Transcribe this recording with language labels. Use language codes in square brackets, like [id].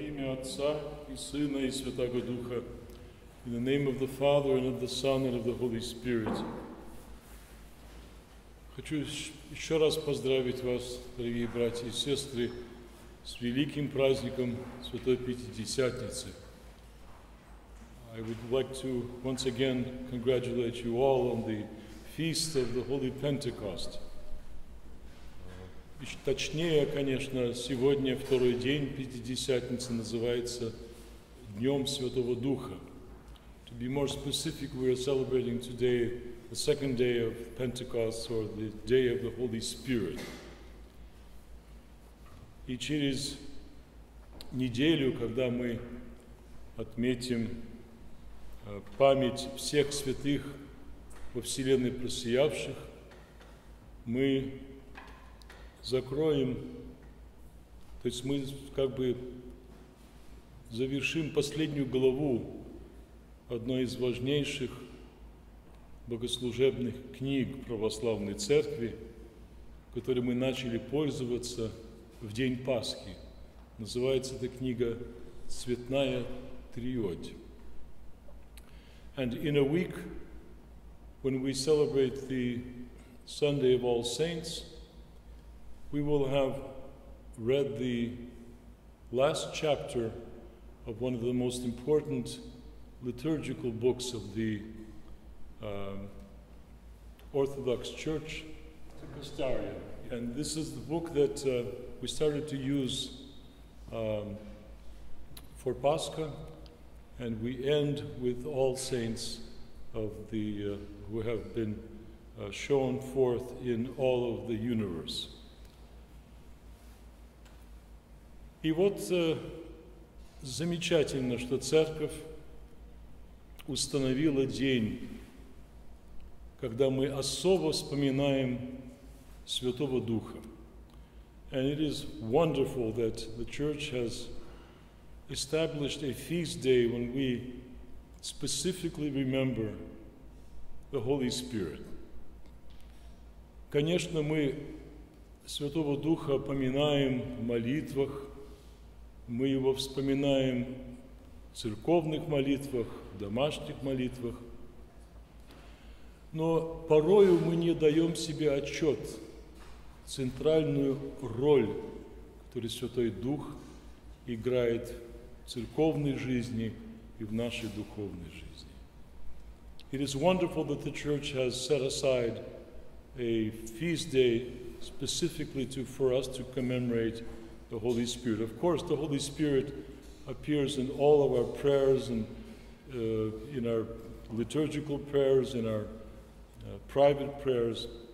[ru] Отца и Сына и Святого Духа. [en] In the name of the Father and of the Son and of the Holy Spirit. [ru] Хочу еще раз поздравить вас, дорогие братья и сестры, с великим праздником Святой Пятидесятницы. [en] I would like to once again congratulate you all on the feast of the Holy Pentecost. [ru] Точнее, конечно, сегодня второй день Пятидесятницы называется Днем Святого Духа. [en] To be more specific, we are celebrating today the second day of Pentecost, or the day of the Holy Spirit. [ru] И через неделю, когда мы отметим память всех святых во Вселенной просиявших, мы закроем, то есть мы как бы завершим последнюю главу одной из важнейших богослужебных книг Православной Церкви, которой мы начали пользоваться в день Пасхи. Называется эта книга «Цветная Триодь». [en] And in a week, when we celebrate the Sunday of All Saints, we will have read the last chapter of one of the most important liturgical books of the Orthodox Church, the Kostarion. And this is the book that we started to use for Pascha, and we end with All Saints of the who have been shown forth in all of the universe. [ru] И вот замечательно, что Церковь установила день, когда мы особо вспоминаем Святого Духа. [en] And it is wonderful that the Church has established a feast day when we specifically remember the Holy Spirit. [ru] Конечно, мы Святого Духа поминаем в молитвах, мы его вспоминаем в церковных молитвах, в домашних молитвах. Но порою мы не даем себе отчет, центральную роль, которую Святой Дух играет в церковной жизни и в нашей духовной жизни. [en] It is wonderful that the Church has set aside a feast day specifically for us to commemorate the Holy Spirit. Of course, the Holy Spirit appears in all of our prayers and in our liturgical prayers, in our private prayers.